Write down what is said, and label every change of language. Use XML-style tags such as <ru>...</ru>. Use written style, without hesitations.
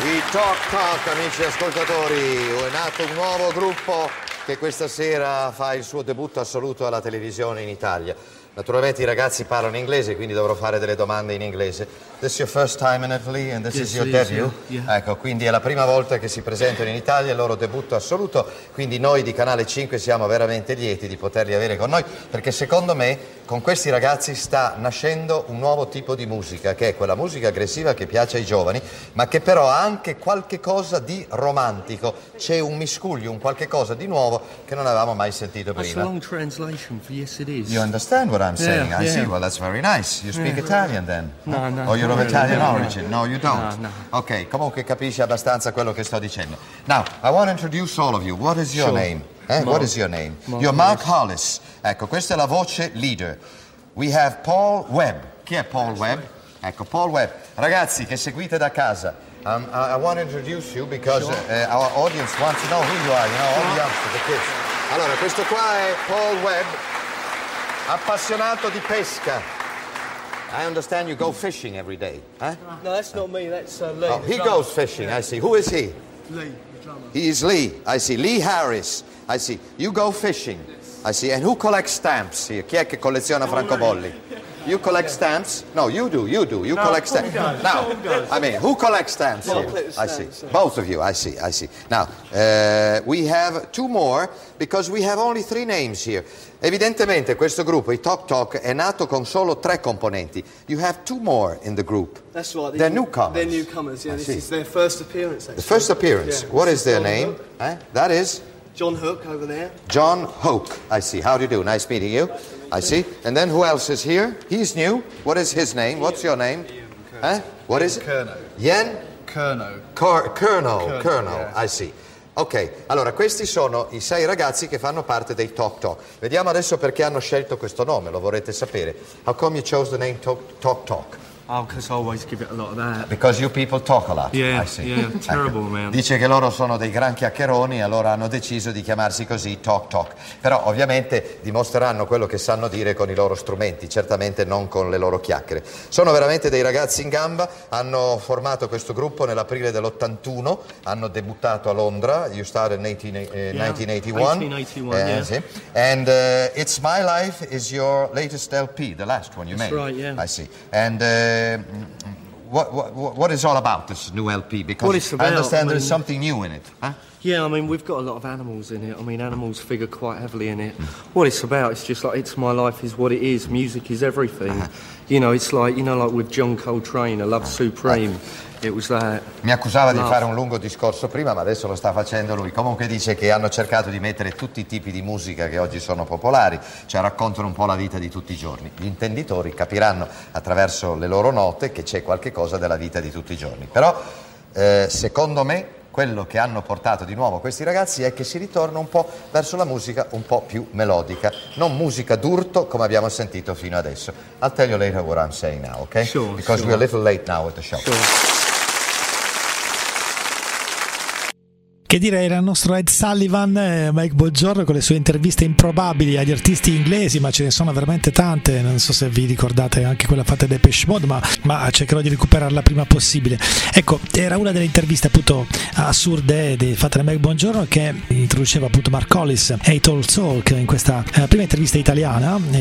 <it>Talk, amici ascoltatori, è nato un nuovo gruppo che questa sera fa il suo debutto assoluto alla televisione in Italia. Naturalmente i ragazzi parlano inglese, quindi dovrò fare delle domande in inglese.</it> <en>This is your first time in Italy and this is your debut? Yeah.</en> <it>Ecco, quindi è la prima volta che si presentano in Italia, il loro debutto assoluto, quindi noi di Canale 5 siamo veramente lieti di poterli avere con noi, perché secondo me con questi ragazzi sta nascendo un nuovo tipo di musica, che è quella musica aggressiva che piace ai giovani, ma che però ha anche qualche cosa di romantico. C'è un miscuglio, un qualche cosa di nuovo che non avevamo mai sentito prima.</it> <en>That's a long translation for yes it is. You understand what I'm saying? Yeah, I see. Well, that's very nice. You speak Italian then? No. Or you're of Italian origin? No, you don't. No.</en> <it>Ok, comunque capisci abbastanza quello che sto dicendo.</it> <en>Now, I want to introduce all of you. What is your name? What is your name? You're Mark Hollis.</en> <it>Ecco, questa è la voce leader.</it> <en>We have Paul Webb.</en> <it>Chi è Paul Webb? Ecco, Paul Webb. Ragazzi, che seguite da casa.</it> <en>I want to introduce you because our audience wants to know who you are. You know, all the youngsters, the kids.</en> <it>Allora, questo qua è Paul Webb, appassionato di pesca.</it> <en>I understand you go fishing every day. No, that's not me. That's Lee. Oh, he goes fishing. I see. Who is he? Lee, the drummer. He is Lee. I see. Lee Harris. I see. You go fishing. Yes. I see. And who collects stamps here?</en> <it>Chi è che colleziona francobolli?</it> <en>You collect stamps? No, you do. You do. You collect stamps. Now, I mean, who collects stamps here? I see. Both of you. I see. I see. Now, we have two more because we have only three names here.</en> <it>Evidentemente, questo gruppo, I Tok Tok, è nato con solo tre componenti.</it> <en>You have two more in the group. That's right. They're newcomers. They're newcomers. Yeah, this is their first appearance. Actually. The first appearance. Yeah. What is their name? That is. John Hook over there. John Hook, I see. How do you do? Nice meeting you. I see. And then who else is here? He's new. What is his name? What's your name? Ian. What Ian is it? Kerno. Yen? Kerno. Kerno. Yeah. I see.</en> <it>Ok, allora questi sono i sei ragazzi che fanno parte dei Tok Tok. Vediamo adesso perché hanno scelto questo nome, lo vorrete sapere.</it> <en>How come you chose the name Tok Tok? Oh, because I always give it a lot of that. Because you people talk a lot. Yeah, I see. Yeah, terrible, man.</en> <it>Dice che loro sono dei gran chiacchieroni, allora hanno deciso di chiamarsi così, Tok Tok. Però ovviamente dimostreranno quello che sanno dire con i loro strumenti, certamente non con le loro chiacchiere. Sono veramente dei ragazzi in gamba, hanno formato questo gruppo nell'aprile dell'81, hanno debuttato a Londra,</it> <en>you started in 1981. Yeah. And It's My Life is your latest LP, the last one you That's made. That's right, yeah. I see. And... What is all about this new LP? Because about, I understand there's something new in it. Huh? Yeah, I mean, we've got a lot of animals in it. I mean, animals figure quite heavily in it. What it's about, it's just like, It's My Life is what it is. Music is everything. You know, it's like, you know, like with John Coltrane, A Love Supreme. It was that.</en> <it>Mi accusava di fare un lungo discorso prima, ma adesso lo sta facendo lui. Comunque dice che hanno cercato di mettere tutti i tipi di musica che oggi sono popolari, cioè raccontano un po' la vita di tutti i giorni. Gli intenditori capiranno attraverso le loro note che c'è qualche cosa della vita di tutti i giorni. Però, secondo me, quello che hanno portato di nuovo questi ragazzi è che si ritorna un po' verso la musica un po' più melodica, non musica d'urto come abbiamo sentito fino adesso.</it> <en>I'll tell you later what I'm saying now, okay? Sure, because we're a little late now at the show. Sure.</en> <it>Che direi, era il nostro Ed Sullivan, Mike Bongiorno, con le sue interviste improbabili agli artisti inglesi, ma ce ne sono veramente tante, non so se vi ricordate anche quella fatta dai Depeche Mode, ma cercherò di recuperarla prima possibile. Ecco, era una delle interviste appunto assurde fatte da Mike Bongiorno, che introduceva appunto Mark Hollis, Eight Old Soul, in questa prima intervista italiana.</it>